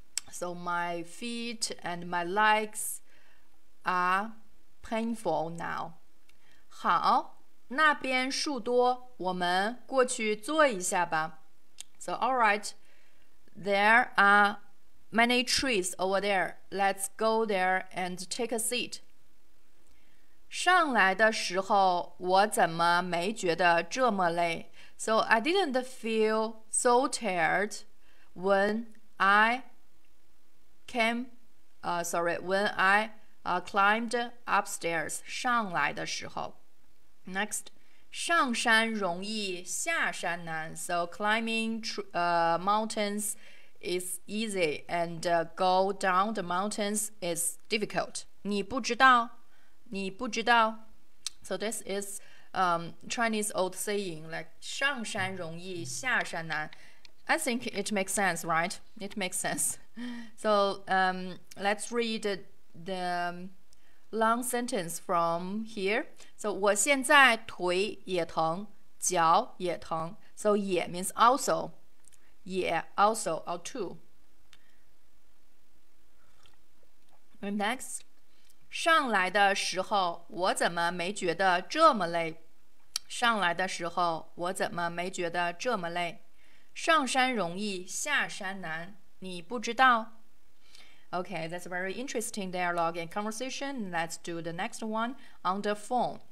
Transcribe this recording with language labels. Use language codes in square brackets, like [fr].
[en] So my feet and my legs are painful now. [zh] 好，那边树多，我们过去坐一下吧。 [en] So, all right, there are many trees over there. Let's go there and take a seat. [zh] 上来的时候，我怎么没觉得这么累？ [en] So, I didn't feel so tired when I climbed upstairs. [zh] 上来的时候。Next, 上山容易下山难。 [en] So climbing mountains is easy and go down the mountains is difficult. [zh] 你不知道，你不知道。 [en] So this is Chinese old saying like [zh] 上山容易下山难。 [en] I think it makes sense, right? It makes sense. So let's read the... long sentence from here. [zh] So 我现在腿也疼，脚也疼。 [en] So 也 means also, 也 also or too. And next, [zh] 上来的时候我怎么没觉得这么累？上来的时候我怎么没觉得这么累？上山容易下山难，你不知道？ [en] OK, that's a very interesting dialogue and conversation. Let's do the next one on the phone.